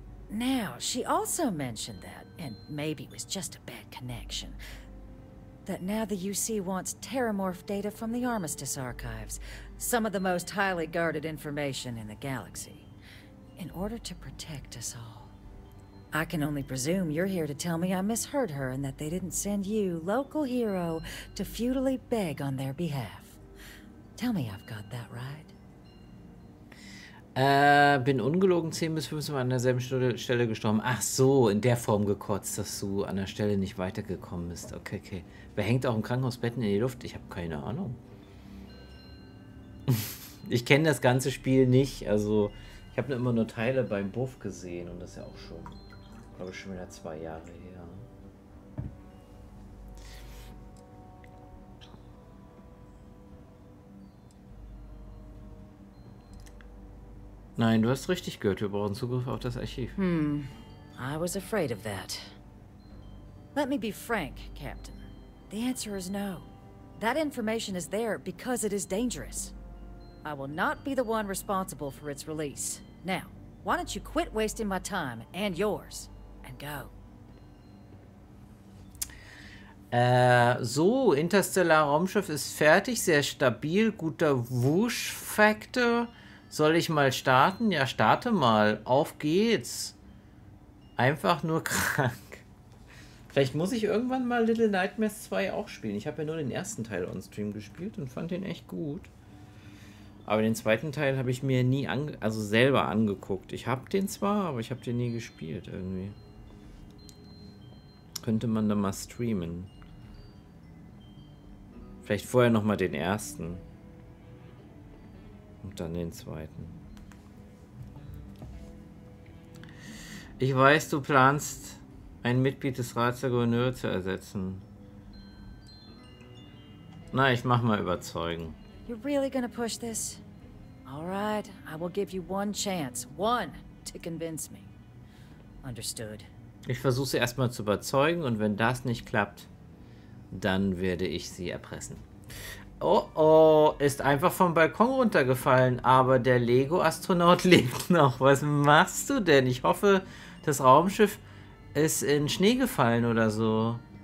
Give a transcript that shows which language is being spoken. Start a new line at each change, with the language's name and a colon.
English: Now, she also mentioned that, and maybe it was just a bad connection, that now the UC wants Terramorph data from the Armistice Archives, some of the most highly guarded information in the galaxy, in order to protect us all. I can only presume you're here to tell me I misheard her and that they didn't send you, local hero, to futilely beg on their behalf. Tell me I've got that right.
German: Bin ungelogen 10 bis 15 Mal an derselben Stelle gestorben. Ach so, in der Form gekotzt, dass du an der Stelle nicht weitergekommen bist. Okay, okay. Wer hängt auch im Krankenhausbetten in die Luft? Ich habe keine Ahnung. Ich kenne das ganze Spiel nicht. Also, ich habe immer nur Teile beim Buff gesehen und das ja auch schon, glaube ich, schon wieder 2 Jahre her. Nein, du hast richtig gehört. Wir brauchen Zugriff auf das Archiv.
English: I was afraid of that. Let me be frank, Captain. The answer is no. That information is there because it is dangerous. I will not be the one responsible for its release. Now, why don't you quit wasting my time and yours and go?
German: So, Interstellar Raumschiff ist fertig, sehr stabil, guter Wush-Faktor. Soll ich mal starten? Ja, starte mal. Auf geht's. Einfach nur krank. Vielleicht muss ich irgendwann mal Little Nightmares 2 auch spielen. Ich habe ja nur den ersten Teil on stream gespielt und fand den echt gut. Aber den zweiten Teil habe ich mir nie selber angeguckt. Ich habe den zwar, aber ich habe den nie gespielt irgendwie. Könnte man da mal streamen. Vielleicht vorher nochmal den ersten. Und dann den zweiten. Ich weiß, du planst, ein Mitglied des Rats der Gouverneure zu ersetzen. Na, ich mach mal überzeugen.
English: You're really gonna push this? All right, I will give you one chance. One to convince me. Understood.
German: Ich versuche sie erstmal zu überzeugen und wenn das nicht klappt, dann werde ich sie erpressen. Oh oh, ist einfach vom Balkon runtergefallen, aber der Lego-Astronaut lebt noch. Was machst du denn? Ich hoffe, das Raumschiff ist in Schnee gefallen oder so.